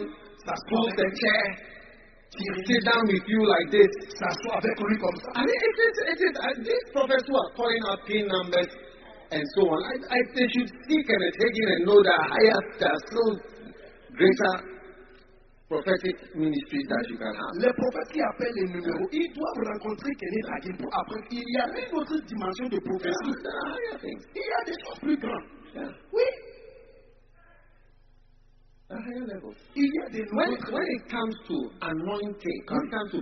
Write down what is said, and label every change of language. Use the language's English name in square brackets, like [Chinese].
[English] pulls the chair, sit down with you like this. [French] S'assoit avec lui comme ça. [English] I mean, these prophets who are calling out pin numbers and so on, they should seek and take it and know that there are still greater prophetic ministries that you can have. [French] Les prophètes qui appellent les numéros, ils doivent rencontrer Kenneth Hagin pour apprendre. Il y a une autre dimension de prophétie. Il y a des choses plus grandes. [English] When it comes to anointing, when it comes to